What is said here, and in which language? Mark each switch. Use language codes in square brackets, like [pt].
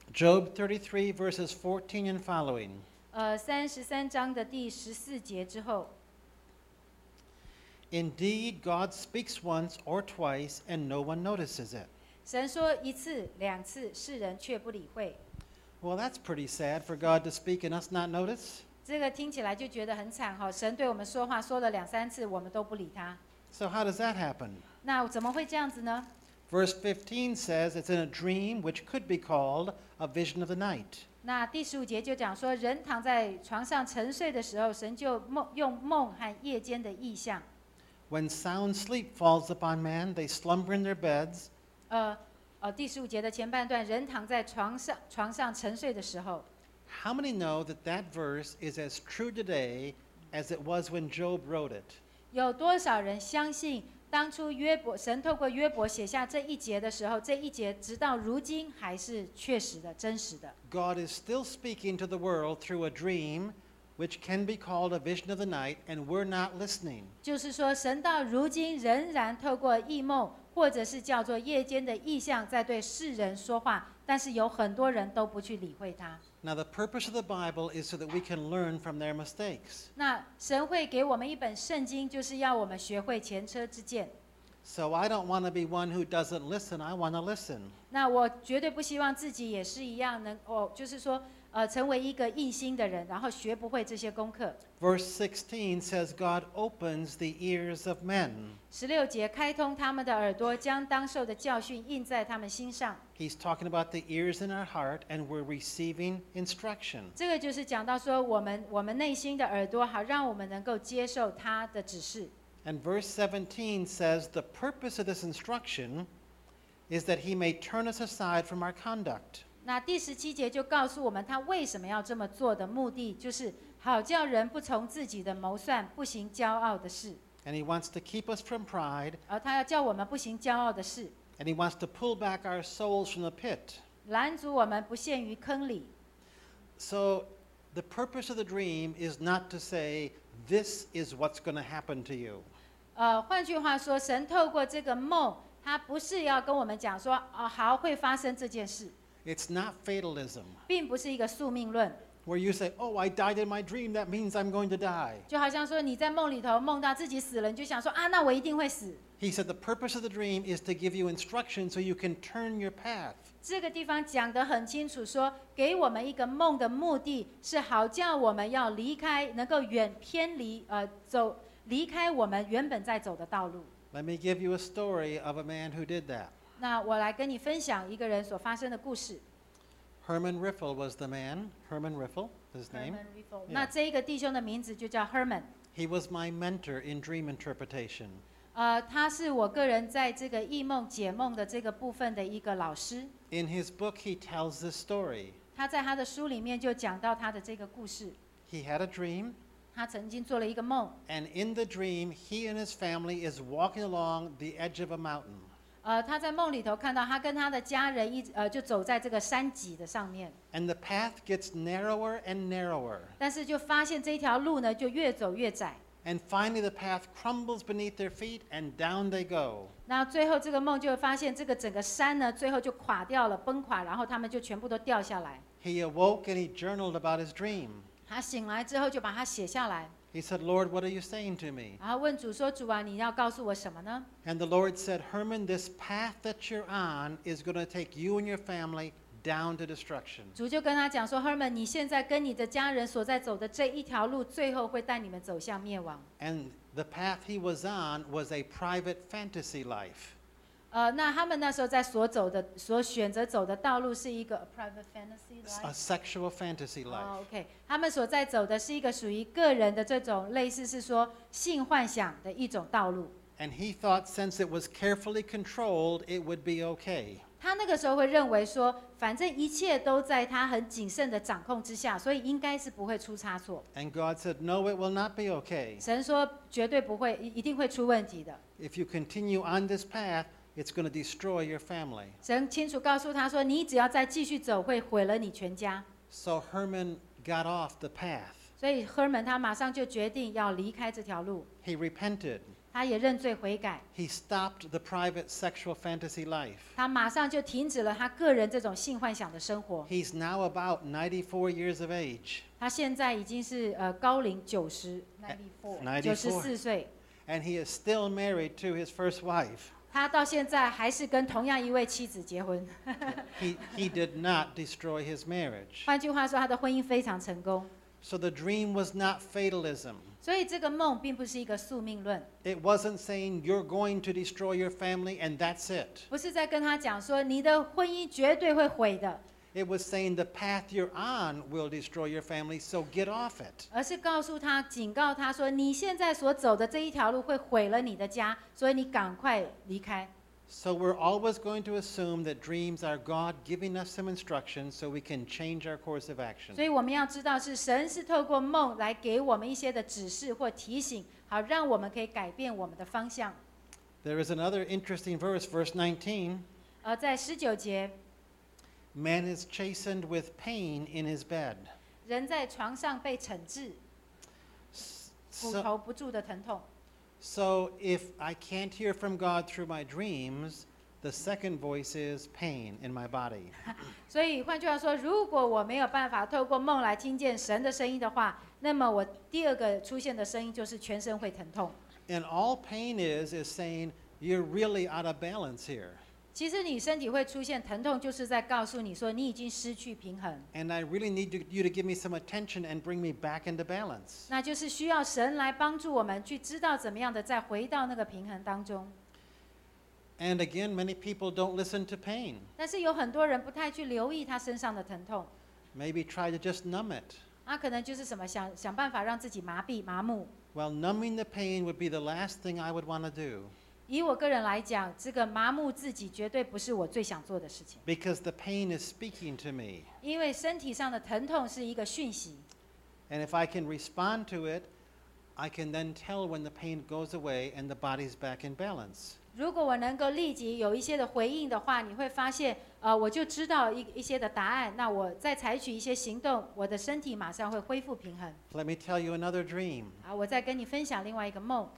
[en] Job 33 verses 14 and following. [zh] 三十三章的第十四节之后。 [en] Indeed, God speaks once or twice, and no one notices it. [zh] 神说一次两次，世人却不理会。 [en] Well, that's pretty sad for God to speak and us not notice. [zh] 这个听起来就觉得很惨，神对我们说话说了两三次我们都不理他。 [en] So how does that happen? [zh] 那怎么会这样子呢？ [en] Verse 15 says it's in a dream which could be called a vision of the night. [zh] 那第十五节就讲说人躺在床上沉睡的时候神就用梦和夜间的异象。 [en] When sound sleep falls upon man, they slumber in their beds. [zh] 第十五节的前半段人躺在床上沉睡的时候。 [en] How many know that that verse is as true today as it was when Job wrote it? [zh] 有多少人相信当初约伯神透过约伯写下这一节的时候，这一节直到如今还是确实的、真实的？ [en] God is still speaking to the world through a dream, which can be called a vision of the night, and we're not listening. [zh] 就是说，神到如今仍然透过异梦，或者是叫做夜间的异象，在对世人说话，但是有很多人都不去理会他。 [en] Now the purpose of the Bible is so that we can learn from their mistakes. [zh] 那神会给我们一本圣经，就是要我们学会前车之鉴。 [en] So I don't want to be one who doesn't listen. I want to listen. [zh] 那我绝对不希望自己也是一样能，就是说，成为一个硬心的人，然后学不会这些功课。 [en] Verse 16 says God opens the ears of men. [zh] 十六节开通他们的耳朵，将当受的教训印在他们心上。 [en] He's talking about the ears in our heart, and we're receiving instruction. [zh] 这个就是讲到说我们内心的耳朵，好让我们能够接受他的指示。 [en] And verse 17 says the purpose of this instruction is that he may turn us aside from our conduct. [zh] 那第十七节就告诉我们他为什么要这么做的目的，就是好叫人不从自己的谋算，不行骄傲的事。 [en] And he wants to keep us from pride. [zh] 而他要叫我们不行骄傲的事。 [en] And he wants to pull back our souls from the pit. [zh] 拦阻我们不陷于坑里。 [en] So the purpose of the dream is not to say this is what's going to happen to you. [zh] 换句话说，神透过这个梦，他不是要跟我们讲说，好，会发生这件事。 [en] It's not fatalism. [zh] 并不是一个宿命论。 [en] Where you say, oh, I died in my dream, that means I'm going to die. [zh] 就好像说你在梦里头梦到自己死了，你就想说，那我一定会死。 [en] He said the purpose of the dream is to give you instruction so you can turn your path. [zh] 这个地方讲得很清楚，说给我们一个梦的目的是好叫我们要离开，能够远偏离，走离开我们原本在走的道路。 [en] Let me give you a story of a man who did that. [zh] 那我来跟你分享一个人所发生的故事。 [en] Herman Riffle was the man. Herman Riffle, his name. [zh] Herman Riffle. [en] Yeah. [zh] 那这个弟兄的名字就叫 Herman. [en] He was my mentor in dream interpretation. [zh] 他是我个人在这个异梦解梦的这个部分的一个老师。 [en] In his book, he tells this story. [zh] 他在他的书里面就讲到他的这个故事。 [en] He had a dream. [zh] 他曾经做了一个梦。 [en] And in the dream, he and his family is walking along the edge of a mountain. [zh] 他在梦里头看到他跟他的家人就走在这个山脊的上面。 [en] And the path gets narrower and narrower. [zh] 但是就发现这条路呢就越走越窄。 [en] And finally the path crumbles beneath their feet and down they go. [zh] 那最后这个梦就发现这个整个山呢最后就垮掉了，崩垮，然后他们就全部都掉下来。 [en] He awoke and he journaled about his dream. [zh] 他醒来之后就把它写下来。 [en] He said, Lord, what are you saying to me? [zh] 然后问主说，主啊，你要告诉我什么呢？ [en] And the Lord said, Herman, this path that you're on is going to take you and your family down to destruction. [zh] 主就跟他讲说， Herman, 你现在跟你的家人所在走的这一条路最后会带你们走向灭亡。 [en] And the path he was on was a private fantasy life. [zh] 那他们那时候在所走的所选择走的道路是一个 [en] private fantasy life? A sexual fantasy life. Okay. [zh] 他们所在走的是一个属于个人的这种类似是说性幻想的一种道路。 [en] And he thought since it was carefully controlled, it would be okay. [zh] 他那个时候会认为说反正一切都在他很谨慎的掌控之下，所以应该是不会出差错。 [en] And God said, no, it will not be okay. [zh] 神说绝对不会，一定会出问题的。 [en] If you continue on this path, it's going to destroy your family. [zh] 神清楚告诉他说，你只要再继续走，会毁了你全家。 [en] So Herman got off the path. [zh] 所以 Herman 他马上就决定要离开这条路。 [en] He repented. [zh] 他也认罪悔改。 [en] He stopped the private sexual fantasy life. [zh] 他马上就停止了他个人这种性幻想的生活。 [en] He's now about 94 years of age. [zh] 他现在已经是高龄90 94岁。 [en] And he is still married to his first wife. [zh] 他到现在还是跟同样一位妻子结婚。 [en] he did not destroy his marriage. [zh] 换句话说，他的婚姻非常成功。 [en] So the dream was not fatalism. [zh] 所以这个梦并不是一个宿命论。 [en] It wasn't saying you're going to destroy your family and that's it. [zh] 不是在跟他讲说你的婚姻绝对会毁的。 [en] It was saying the path you're on will destroy your family, so get off it. [zh] 而是告诉他，警告他说，你现在所走的这一条路会毁了你的家，所以你赶快离开。 [en] So we're always going to assume that dreams are God giving us some instructions so we can change our course of action. [zh] 所以我们要知道是神是透过梦来给我们一些的指示或提醒，好让我们可以改变我们的方向。 [en] There is another interesting verse, verse 19. [zh] 在十九节。 [en] Man is chastened with pain in his bed. [zh] 人在床上被惩治，骨头不住的疼痛。 [en] So if I can't hear from God through my dreams, the second voice is pain in my body. [zh] 所以换句话说，如果我没有办法透过梦来听见神的声音的话，那么我第二个出现的声音就是全身会疼痛。 [en] And all pain is saying you're really out of balance here. [zh] 其实你身体会出现疼痛，就是在告诉你说你已经失去平衡。 [en] And I really need you to give me some attention and bring me back into balance. [zh] 那就是需要神来帮助我们去知道怎么样的再回到那个平衡当中。 [en] And again, many people don't listen to pain. [zh] 但是有很多人不太去留意他身上的疼痛。 [en] Maybe try to just numb it. [zh] 那可能就是什么想办法让自己麻痹麻木。 [en] Well, numbing the pain would be the last thing I would want to do. [zh] 以我个人来讲，这个麻木自己绝对不是我最想做的事情。 [en] Because the pain is speaking to me. [zh] 因为身体上的疼痛是一个讯息。 [en] And if I can respond to it, I can then tell when the pain goes away and the body's back in balance. [zh] 如果我能够立即有一些的回应的话，你会发现，我就知道一些的答案。那我再采取一些行动，我的身体马上会恢复平衡。 [en] Let me tell you another dream. [zh] 啊，我再跟你分享另外一个梦。